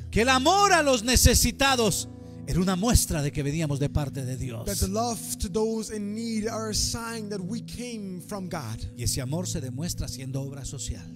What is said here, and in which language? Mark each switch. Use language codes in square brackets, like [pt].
[es] que el amor a los necesitados era una muestra de que veníamos de parte de Dios. [en] That the love to those in need are a sign that we came from God. [es] Y ese amor se demuestra haciendo obra social.